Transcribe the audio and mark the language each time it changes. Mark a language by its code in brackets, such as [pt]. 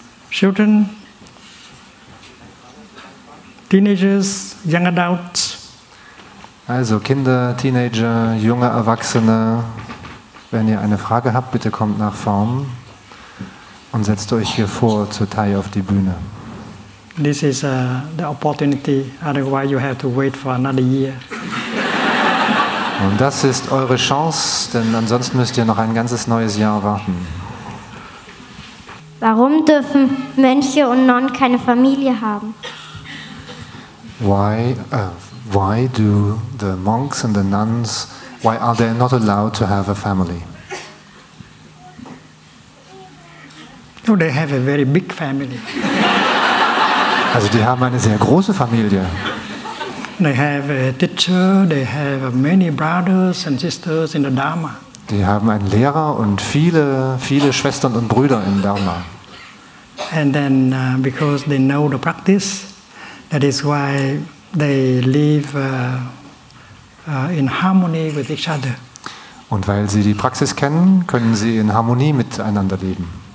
[en] Children, Teenagers, young adults. [de] Also Kinder, Teenager, junge Erwachsene, wenn ihr eine Frage habt, bitte kommt nach vorn und setzt euch hier vor zu Thay auf die Bühne. [en] This is the opportunity, otherwise you have to wait for another year. [de] Und das ist eure Chance, denn ansonsten müsst ihr noch ein ganzes neues Jahr warten. Warum dürfen Mönche und Nonnen keine Familie haben? [en] Why do the monks and the nuns, why are they not allowed to have a family? Oh, they have a very big family. [de] Also die haben eine sehr große Familie. [en] They have a teacher, they have many brothers and sisters in the Dharma. [de] Die haben einen Lehrer und viele, viele Schwestern und Brüder im Dharma. [en] And then because they know the practice, that is why they live in harmony with each other. [de] Und weil sie die Praxis kennen, können sie in Harmonie miteinander leben.